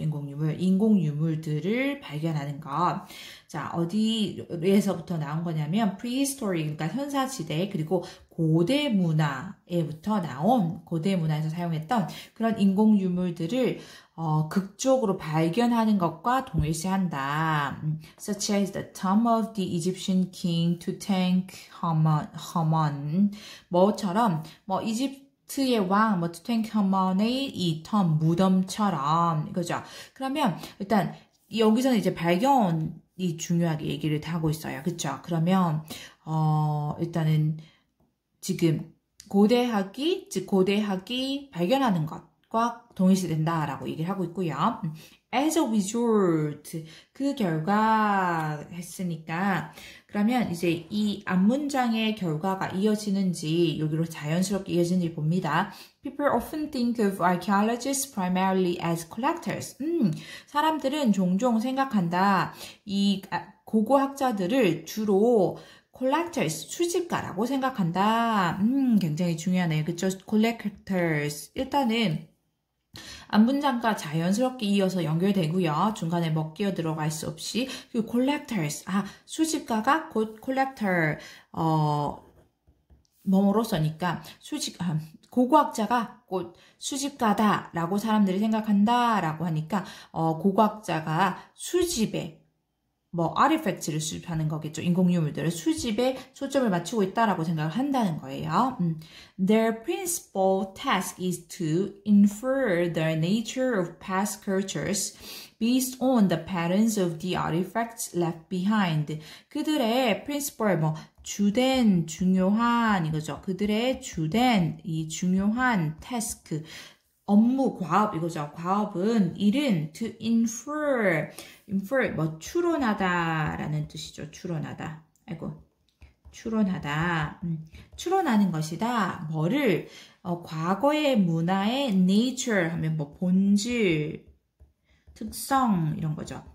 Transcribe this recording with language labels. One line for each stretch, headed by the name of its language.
Korean: 인공유물, 인공유물들을 발견하는 것. 자, 어디에서부터 나온 거냐면 prehistory, 그러니까 현사시대 그리고 고대 문화에부터 나온 고대 문화에서 사용했던 그런 인공유물들을 극적으로 발견하는 것과 동일시한다.
English: Such as the tomb of the Egyptian king Tutankhamun.
Korean: 뭐처럼 뭐 이집트의 왕, 뭐 투탱크헌의 이 텀, 무덤처럼 이거죠. 그러면 일단 여기서는 이제 발견이 중요하게 얘기를 하고 있어요. 그렇죠? 그러면 일단은 지금 고대학이 발견하는 것. 꽉 동일시된다라고 얘기를 하고 있고요.
English: As a result,
Korean: 그 결과 했으니까 그러면 이제 이 앞문장의 결과가 이어지는지 여기로 자연스럽게 이어지는지 봅니다.
English: People often think of archaeologists primarily as collectors.
Korean: 사람들은 종종 생각한다. 이 고고학자들을 주로 collectors, 수집가라고 생각한다. 굉장히 중요하네요. 그쵸? collectors. 일단은 안분장과 자연스럽게 이어서 연결되고요. 중간에 먹기어 들어갈 수 없이 그 collectors 수집가가 곧 collector 뭐로서니까 고고학자가 곧 수집가다라고 사람들이 생각한다라고 하니까 고고학자가 수집에 뭐 아티팩트를 수집하는 거겠죠. 인공유물들을 수집에 초점을 맞추고 있다라고 생각을 한다는 거예요.
English: Their principal task is to infer the nature of past cultures based on the patterns of the artifacts left behind.
Korean: 그들의 principal 뭐 주된 중요한 이거죠. 그들의 주된 이 중요한 task 업무 과업 이거죠. 과업은 일은 to infer 뭐 추론하다라는 뜻이죠. 추론하다. 아이고. 추론하다. 추론하는 것이다. 뭐를 과거의 문화의 nature 하면 뭐 본질 특성 이런 거죠.